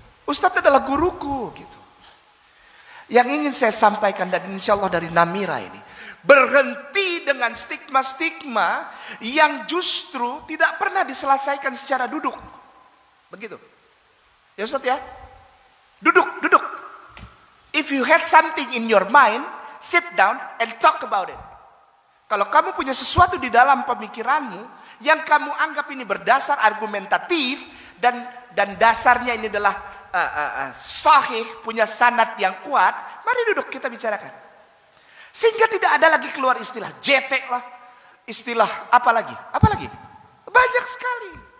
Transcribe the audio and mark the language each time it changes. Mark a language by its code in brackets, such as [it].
[id] Ustaz adalah guruku gitu. Yang ingin saya sampaikan dan insya Allah dari Namira ini. Berhenti dengan stigma-stigma yang justru tidak pernah diselesaikan secara duduk. Begitu. Ya Ustaz ya. Duduk, duduk. [en] If you had something in your mind, sit down and talk about it. [id] Kalau kamu punya sesuatu di dalam pemikiranmu yang kamu anggap ini berdasar argumentatif dan dasarnya ini adalah sahih, punya sanad yang kuat, mari duduk kita bicarakan. Sehingga tidak ada lagi keluar istilah jetek lah, istilah apalagi, apalagi? Banyak sekali.